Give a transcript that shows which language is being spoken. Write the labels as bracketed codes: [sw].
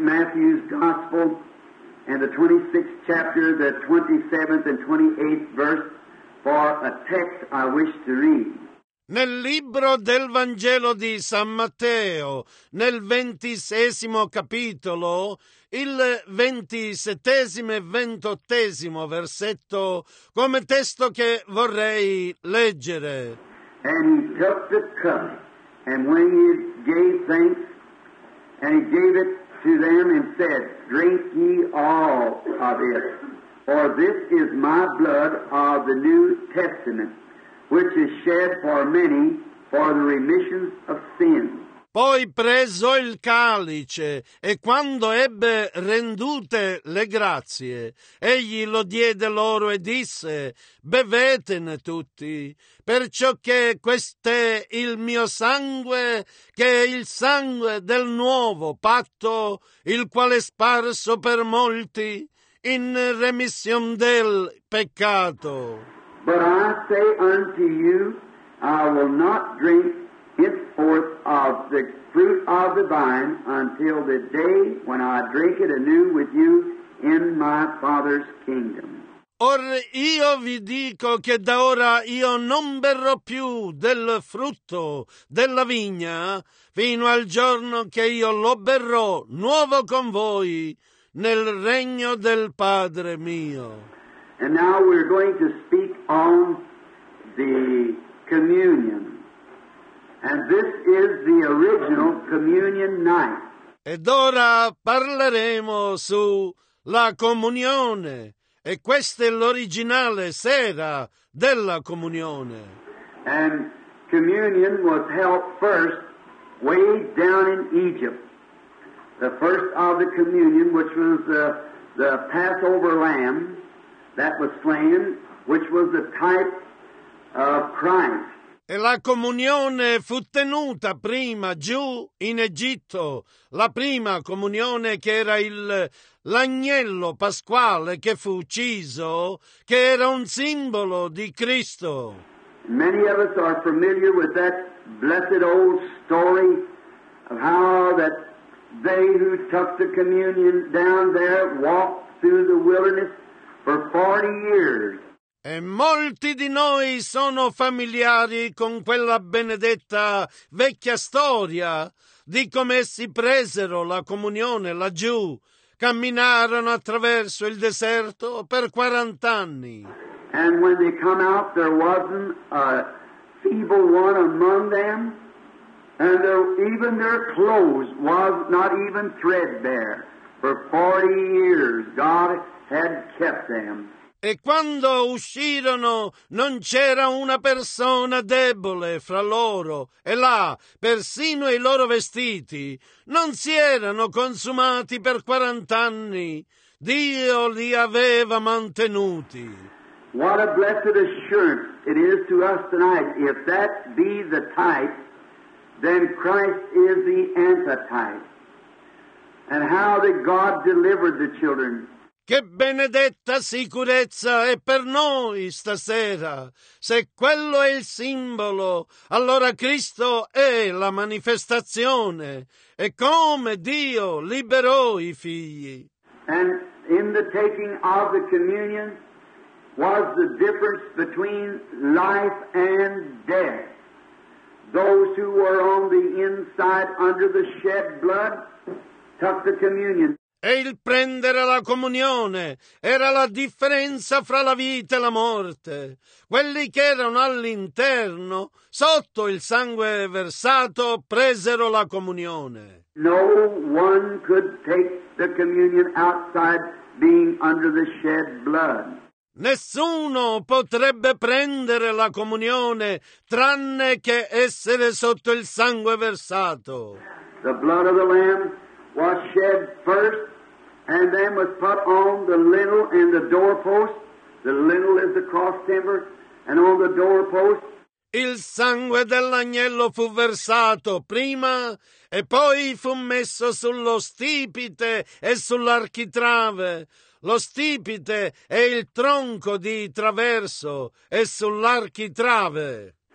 [en] Matthew's Gospel, and the 26th chapter, the 27th and 28th verse, for a text I wish to read. [it] Nel libro del Vangelo di San Matteo, nel 26 capitolo, il 27 e 28 versetto, come testo che vorrei leggere. [en] And he took the cup, and when he gave thanks, and he gave it to them and said, drink ye all of it, for this is my blood of the New Testament, which is shed for many for the remission of sins. [it] Poi preso il calice, e quando ebbe rendute le grazie, egli lo diede loro e disse, bevetene tutti, perciò che questo è il mio sangue, che è il sangue del nuovo patto, il quale è sparso per molti in remission del peccato. [en] But I say unto you, I will not drink henceforth of the fruit of the vine until the day when I drink it anew with you in my Father's kingdom. [it] Or io vi dico che da ora io non berrò più del frutto della vigna fino al giorno che io lo berrò nuovo con voi nel regno del Padre mio. [en] And now we're going to speak on the communion. And this is the original communion night. [it] Ed ora parleremo su la comunione, e questa è l'originale sera della comunione. [en] And communion was held first way down in Egypt. The first of the communion, which was the Passover lamb that was slain, which was the type of Christ. [it] E la comunione fu tenuta prima giù in Egitto, la prima comunione che era l'agnello pasquale che fu ucciso, che era un simbolo di Cristo. [en] Many of us are familiar with that blessed old story of how that they who took the communion down there walked through the wilderness for 40 years. [it] E molti di noi sono familiari con quella benedetta vecchia storia di come essi presero la comunione laggiù, camminarono attraverso il deserto per 40 anni. [en] And when they come out, there wasn't a feeble one among them, and even their clothes was not even threadbare. For 40 years God had kept them. [it] E quando uscirono non c'era una persona debole fra loro, e là persino i loro vestiti non si erano consumati per 40 anni. Dio li aveva mantenuti. [en] What a blessed assurance it is to us tonight. If that be the type, then Christ is the antitype. And how did God deliver the children? [it] Che benedetta sicurezza è per noi stasera. Se quello è il simbolo, allora Cristo è la manifestazione. E come Dio liberò i figli. [en] And in the taking of the communion was the difference between life and death. Those who were on the inside under the shed blood took the communion. [it] E il prendere la comunione era la differenza fra la vita e la morte. Quelli che erano all'interno, sotto il sangue versato, presero la comunione. [en] No one could take the communion outside being under the shed blood. [it] Nessuno potrebbe prendere la comunione tranne che essere sotto il sangue versato. [en] The blood of the Lamb was shed first and then was put on the lintel and the doorpost. The lintel is the cross timber and on the doorpost. [it] Il sangue dell'agnello fu versato prima e poi fu messo sullo stipite e sull'architrave. Lo stipite è il tronco di traverso e sull'architrave.